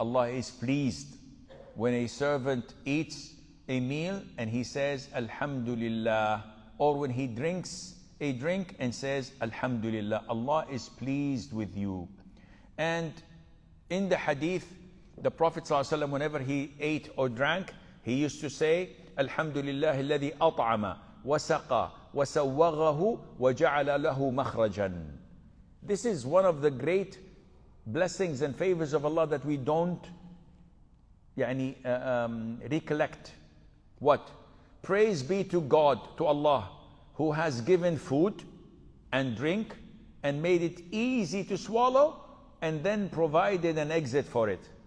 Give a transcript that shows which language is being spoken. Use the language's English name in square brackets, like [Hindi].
[English] Allah is pleased when a servant eats a meal and he says, Alhamdulillah. Or when he drinks a drink and says, Alhamdulillah. Allah is pleased with you. And in the hadith, the Prophet ﷺ, whenever he ate or drank, he used to say, Alhamdulillah, [Arabic] الَّذِي أَطْعَمَ. وسقى وسوغه وجعل له مخرجا. [English] This is one of the great blessings and favors of Allah that we don't recollect. What? Praise be to God, to Allah, who has given food and drink and made it easy to swallow and then provided an exit for it.